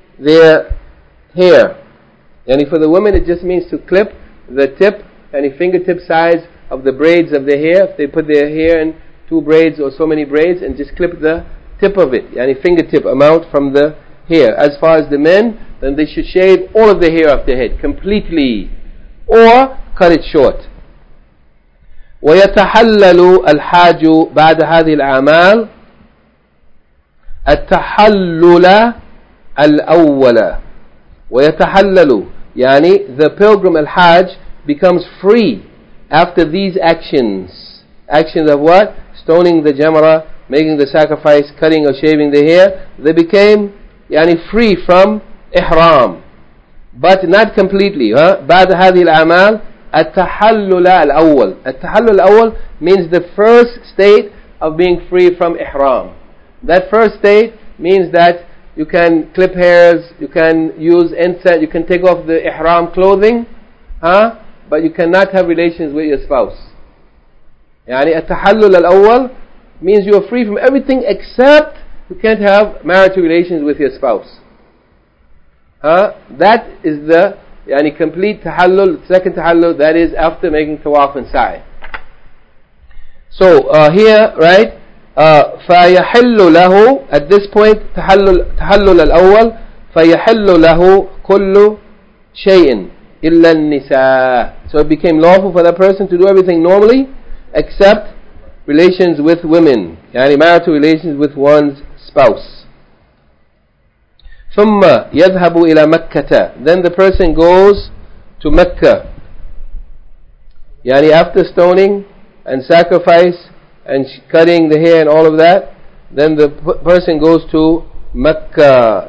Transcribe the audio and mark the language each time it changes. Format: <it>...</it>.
<en>their hair. And for the women, it just means to clip the tip, any fingertip size of the braids of their hair. If they put their hair in two braids or so many braids, and just clip the tip of it, any fingertip amount from the hair. As far as the men, then they should shave all of the hair off their head, completely, or cut it short.</en> <ar>وَيَتَحَلَّلُ الْحَاجُ بَعْدَ هَذِهِ الْعَمَالِ التَّحَلُّلَ الْأَوَّلَ وَيَتَحَلَّلُ يعني</ar> <en>the pilgrim al-hajj becomes free after these actions. Actions of what? Stoning the jamra, making the sacrifice, cutting or shaving the hair. They became يعني free from ihram. But not completely.</en> <ar>بعد هذه الأعمال التحلل الأول. التحلل الأول</ar> <en>means the first state of being free from ihram. That first state means that you can clip hairs, you can use incense, you can take off the ihram clothing, but you cannot have relations with your spouse. يعني</en> <ar>التحلل الأول</ar> <en>means you are free from everything except you can't have marital relations with your spouse. That is the يعني complete tahallul, second tahallul, that is after making tawaf and sa'i. So here, right?</en> <ar>فَيَحِلُّ لَهُ</ar> <en>at this point tahallul al-awwal</en> <ar>فَيَحِلُّ لَهُ كُلُّ شَيْءٍ إِلَّا النِّسَاءِ.</ar> <en>So it became lawful for that person to do everything normally except relations with women, يعني marital relations with one's spouse.</en> <ar>ثم يذهب إلى مكة.</ar> <en>Then the person goes to Mecca. يعني after stoning and sacrifice and cutting the hair and all of that, then the person goes to Mecca.</en>